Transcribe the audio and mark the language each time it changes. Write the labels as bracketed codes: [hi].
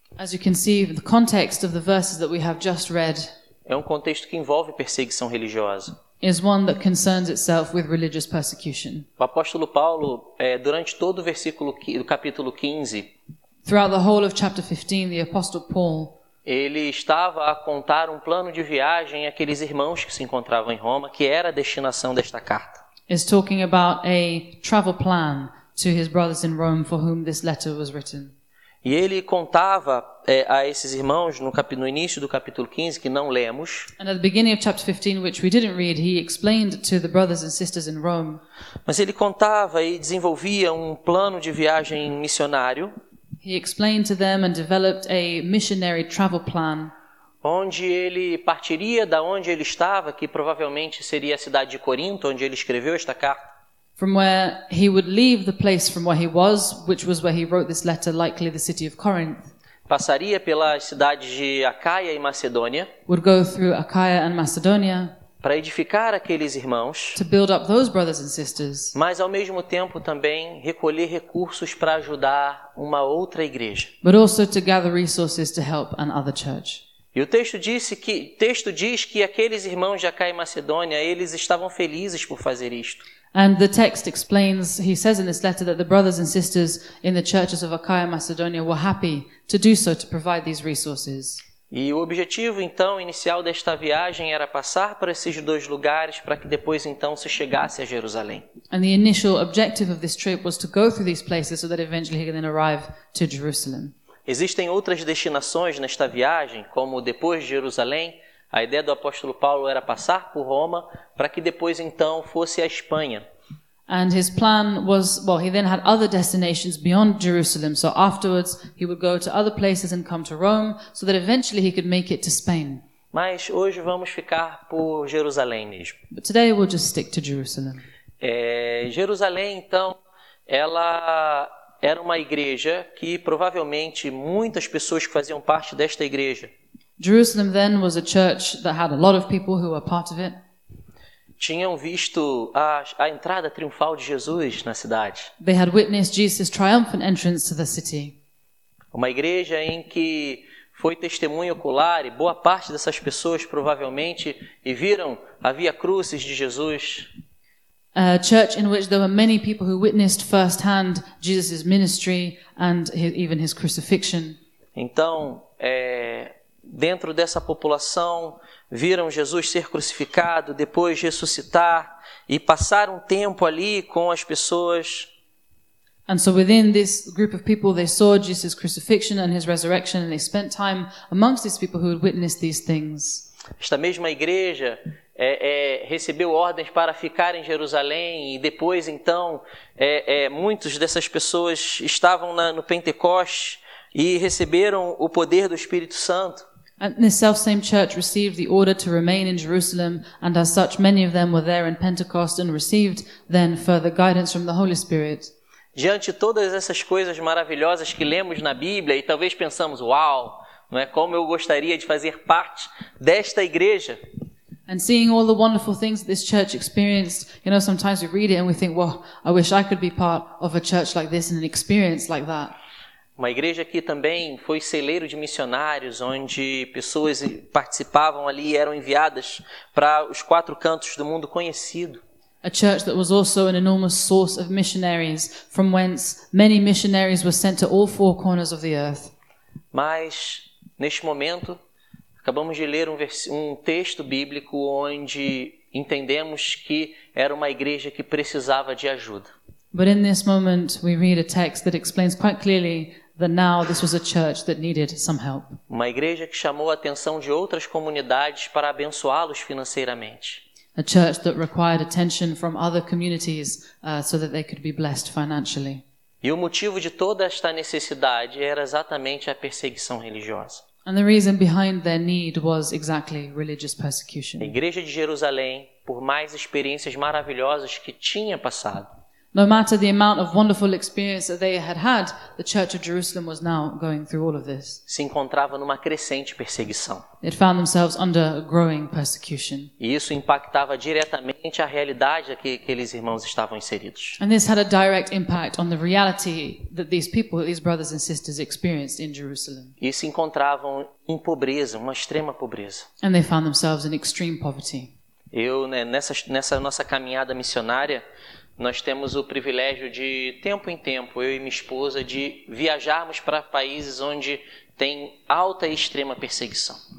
[en] As you can see, the context of the verses that we have just read. [pt] É um contexto que envolve perseguição religiosa. [en] Is one that concerns itself with religious persecution. [pt] O apóstolo Paulo, durante todo o versículo do capítulo 15. [en] Throughout the whole of chapter 15, the apostle Paul. [pt] Ele estava a contar um plano de viagem àqueles irmãos que se encontravam em Roma, que era a destinação desta carta. [en] Is talking about a travel plan to his brothers in Rome for whom this letter was written. [pt] E ele contava a esses irmãos no início do capítulo 15 que não lemos. [en] And at the beginning of chapter 15 which we didn't read, he explained to the brothers and sisters in Rome. [pt] Mas ele contava e desenvolvia um plano de viagem missionário. [en] He explained to them and developed a missionary travel plan. [pt] Onde ele partiria, da onde ele estava, que provavelmente seria a cidade de Corinto, onde ele escreveu esta carta. [en] From where he would leave the place from where he was, which was where he wrote this letter, likely the city of Corinth. [pt] Passaria pelas cidades de Acaia e Macedônia. [en] Would go through Acaia and Macedonia. [pt] Para edificar aqueles irmãos. [en] To build up those brothers and sisters. [pt] Mas ao mesmo tempo também recolher recursos para ajudar uma outra igreja. [en] But also to gather resources to help another church. [pt] E o texto diz que aqueles irmãos de Acaia e Macedônia, eles estavam felizes por fazer isto. [en] And the text explains, he says in this letter that the brothers and sisters in the churches of Acaia and Macedonia were happy to do so, to provide these resources. [pt] E o objetivo então inicial desta viagem era passar por esses dois lugares para que depois então se chegasse a Jerusalém. [en] And the initial objective of this trip was to go through these places so that eventually he could then arrive to Jerusalem. [pt] Existem outras destinações nesta viagem, como depois de Jerusalém. A ideia do apóstolo Paulo era passar por Roma, para que depois então fosse a Espanha. [en] And his plan was, well, he then had other destinations beyond Jerusalem. So afterwards, he would go to other places and come to Rome, so that eventually he could make it to Spain. [pt] Mas hoje vamos ficar por Jerusalém mesmo. [en] But today we'll just stick to Jerusalem. [pt] Jerusalém, então, ela era uma igreja que provavelmente muitas pessoas que faziam parte desta igreja. [en] Jerusalem then was a church that had a lot of people who were part of it. [pt] Tinham visto a entrada triunfal de Jesus na cidade. [en] They had witnessed Jesus' triumphant entrance to the city. [pt] Uma igreja em que foi testemunho ocular e boa parte dessas pessoas provavelmente e viram havia cruzes de Jesus. [en] a church in which there were many people who witnessed firsthand Jesus' ministry and even his crucifixion. [pt] Então, dentro dessa população, viram Jesus ser crucificado, depois ressuscitar e passar um tempo ali com as pessoas. [en] And so within this group of people, they saw Jesus' crucifixion and his resurrection, and they spent time amongst these people who had witnessed these things. [pt] Esta mesma igreja recebeu ordens para ficar em Jerusalém, e depois, então, muitos dessas pessoas estavam no Pentecoste e receberam o poder do Espírito Santo. [en] And this self-same church received the order to remain in Jerusalem, and as such, many of them were there in Pentecost and received then further guidance from the Holy Spirit. [pt] Diante de todas essas coisas maravilhosas que lemos na Bíblia, e talvez pensamos, uau, não é como eu gostaria de fazer parte desta igreja. [en] And seeing all the wonderful things that this church experienced, you know, sometimes we read it and we think, well, I wish I could be part of a church like this and an experience like that. [pt] Uma igreja que também foi celeiro de missionários, onde pessoas participavam ali e eram enviadas para os quatro cantos do mundo conhecido. [en] A church that was also an enormous source of missionaries, from whence many missionaries were sent to all four corners of the earth. [pt] Mas, neste momento, acabamos de ler um texto bíblico onde entendemos que era uma igreja que precisava de ajuda. [en] But in this moment, we read a text that explains quite clearly that now this was a church that needed some help. [pt] Uma igreja que chamou a atenção de outras comunidades para abençoá-los financeiramente. [en] A church that required attention from other communities so that they could be blessed financially. [pt] E o motivo de toda esta necessidade era exatamente a perseguição religiosa. [en] And the reason behind their need was exactly religious persecution. [pt] A igreja de Jerusalém, por mais experiências maravilhosas que tinha passado, [en] no matter the amount of wonderful experience that they had had, the church of Jerusalem was now going through all of this. [pt] Se encontrava numa crescente perseguição. [en] It found themselves under a growing persecution. [pt] E isso impactava diretamente a realidade que aqueles irmãos estavam inseridos. [en] And this had a direct impact on the reality that these people, these brothers and sisters, experienced in Jerusalem. [pt] E se encontravam em pobreza, uma extrema pobreza. [en] And they found themselves in extreme poverty. [pt] Eu, né, nessa nossa caminhada missionária, nós temos o privilégio de tempo em tempo, eu e minha esposa, de viajarmos para países onde tem alta e extrema perseguição.